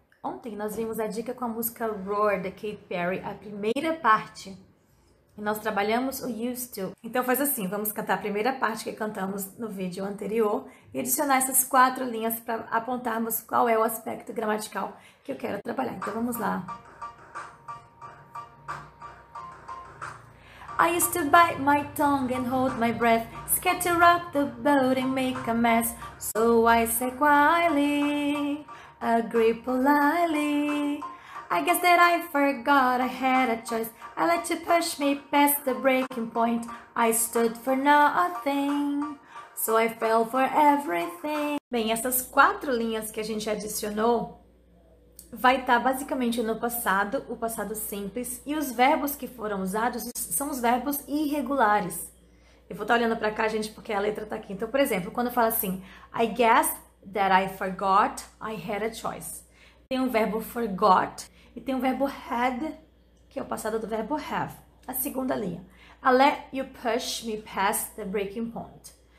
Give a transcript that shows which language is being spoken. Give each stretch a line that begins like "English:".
Portuguese: Ontem nós vimos a dica com a música Roar, da Katy Perry, a primeira parte. E nós trabalhamos o used to. Então faz assim, vamos cantar a primeira parte que cantamos no vídeo anterior e adicionar essas quatro linhas para apontarmos qual é o aspecto gramatical que eu quero trabalhar. Então vamos lá.
English: I used to bite my tongue and hold my breath, scared to rock the boat and make a mess. So I say quietly, agree politely. I guess that I forgot I had a choice. I let you push me past the breaking point. I stood for nothing, so I fell for everything.
Portuguese: Bem, essas quatro linhas que a gente adicionou vai estar basicamente no passado, o passado simples, e os verbos que foram usados são os verbos irregulares. Eu vou estar olhando para cá, gente, porque a letra está aqui. Então, por exemplo, quando fala assim,
English: I guess that I forgot I had a choice.
Portuguese: Tem um verbo forgot e tem um verbo had, que é o passado do verbo have. A segunda linha.
English: I let you push me past the breaking point.